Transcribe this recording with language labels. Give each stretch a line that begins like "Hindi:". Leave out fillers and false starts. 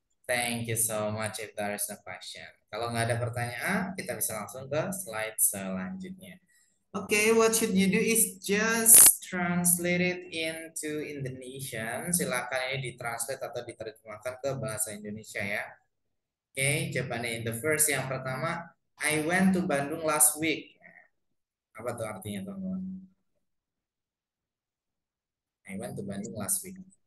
English: Thank you so much if there is no question.
Indonesian: Kalau nggak ada pertanyaan, kita bisa langsung ke slide selanjutnya.
English: Okay, what should you do is just translate it into Indonesian.
Indonesian: Silakan ini ditranslate atau diterjemahkan ke bahasa Indonesia ya.
English: Okay,
Indonesian: jawabannya
English: in the first
Indonesian: yang pertama,
English: I went to Bandung last week.
Indonesian: Apa tuh artinya teman-teman?
English: I went to Bandung last week.